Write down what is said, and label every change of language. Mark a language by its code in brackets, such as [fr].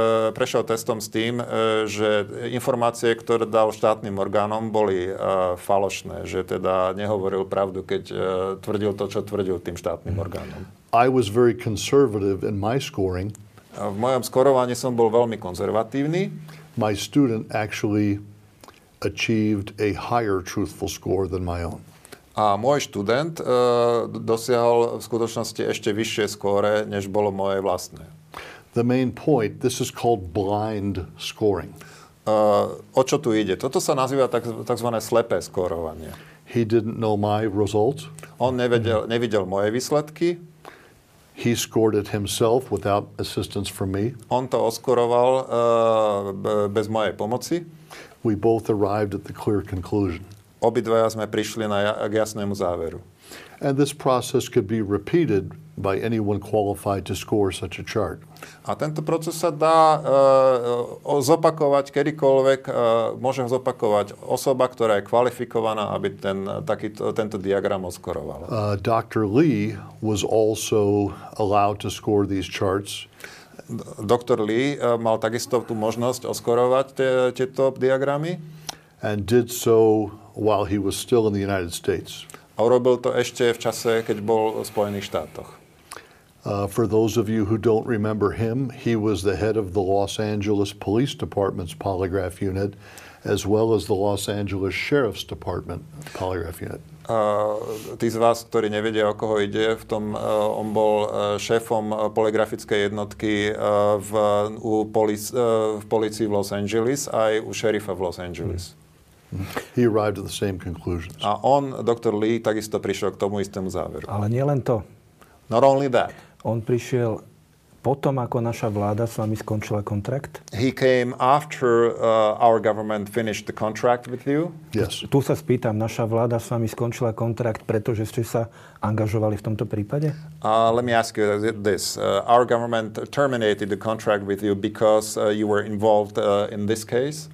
[sk] Prešiel testom s tým, že informácie, ktoré dal štátnym orgánom, boli falošné, že teda nehovoril pravdu, keď tvrdil to, čo tvrdil tým štátnym orgánom. [en] I was very conservative in my scoring. [sk] V mojom skorovaní som bol veľmi konzervatívny. [en] My student actually achieved a higher truthful score than my own. [sk] A môj študent dosiahol v skutočnosti ešte vyššie skóre, než bolo moje vlastné. [en] The main point, this is called blind scoring. [sk] O čo tu ide? Toto sa nazýva takzvané slepé skórovanie. [en] He didn't know my results. [sk] On nevidel moje výsledky. [en] He scored it himself without assistance from me. [sk] On to oskoroval bez mojej pomoci. [en] We both arrived at the clear conclusion. [sk] Obidvaja sme prišli k jasnému záveru. [en] And this process could be repeated by anyone qualified to score such a chart. [sk] A tento proces sa dá zopakovať kedykoľvek, môže ho zopakovať osoba, ktorá je kvalifikovaná, aby tento diagram oskorovala. [en] Dr. Lee was also allowed to score these charts. [sk] Dr. Lee mal takisto tú možnosť oskorovať tieto diagramy. [en] And did so while he was still in the United States. [sk] A urobil to ešte v čase, keď bol v Spojených štátoch. [en] For those of you who don't remember him, he was the head of the Los Angeles Police Department's polygraph unit, as well as the Los Angeles Sheriff's Department polygraph unit. [sk] Tí z vás, ktorí nevedia, o koho ide, v tom on bol šéfom poligrafickej jednotky v polícii v Los Angeles aj u šerifa v Los Angeles. [en] He arrived at the same conclusions. [sk] A on, Dr. Lee, takisto prišiel k tomu istému záveru. Ale nie len to. [en] Not only that. [sk] On prišiel potom, ako naša vláda s vami skončila kontrakt. [en] He came after our government finished the contract with you. Yes. [sk] Tu sa spýtam, naša vláda s vami skončila kontrakt, pretože ste sa angažovali v tomto prípade? [en] Let me ask you this. Our government terminated the contract with you because you were involved in this case?